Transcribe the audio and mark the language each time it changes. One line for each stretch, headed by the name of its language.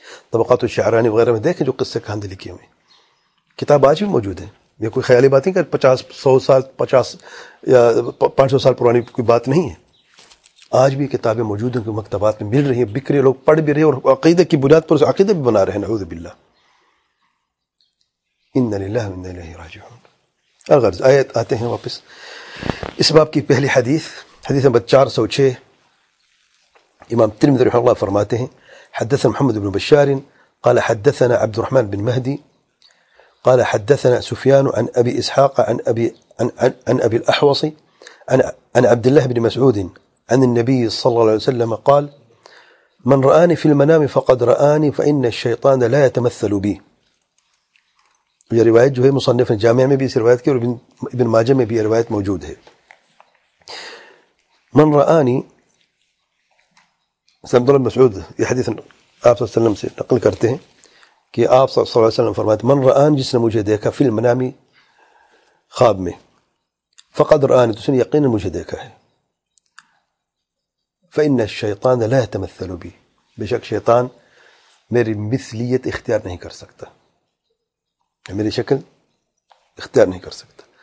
Urdu: طبقات الشعرانی وغیرہ میں دیکھیں جو قصے کہاں لکھے ہوئے، کتاب آج بھی موجود ہیں، یہ کوئی خیالی بات نہیں کہ 50-100 سال، 50 یا 500 سال پرانی کوئی بات نہیں ہے، آج بھی کتابیں موجود ہیں، مکتبات میں مل رہی ہیں، بک رہی ہیں، لوگ پڑھ بھی رہے ہیں، اور عقیدہ کی بنیاد پر عقیدہ بھی بنا رہے ہیں نعوذ باللہ.
Arabic: ان للہ و ان الیہ راجعون.
Urdu: الغرض، آیت آتے ہیں واپس، اس باب کی پہلی حدیث، حدیث نمبر 406، امام ترمذی رحمہ اللہ فرماتے ہیں
Arabic: حدثنا محمد بن بشار قال حدثنا عبد الرحمن بن مهدي قال حدثنا سفيان عن ابي اسحاق عن ابي الاحوص عن عبد الله بن مسعود عن النبي صلى الله عليه وسلم قال من رآني في المنام فقد رآني فان الشيطان لا يتمثل بي.
Urdu: یہ روایت جو ہے مصنف نے جامعہ میں بھی اس روایت کی، اور ابن ماجہ میں بھی یہ روایت موجود ہے. من رآنی، عبد الله بن مسعود یہ حدیث آپ صلی اللہ علیہ وسلم سے نقل کرتے ہیں کہ آپ صلی اللہ علیہ وسلم فرماتے من رآنی، جس نے مجھے دیکھا، فی المنامی، خواب میں، فقد رآنی، تو اس نے یقین مجھے دیکھا ہے،
Arabic: فإن الشیطان لا يتمثل بی،
Urdu: بے شک شیطان میری مثلیت اختیار نہیں کر سکتا، میری شکل اختیار نہیں کر سکتا.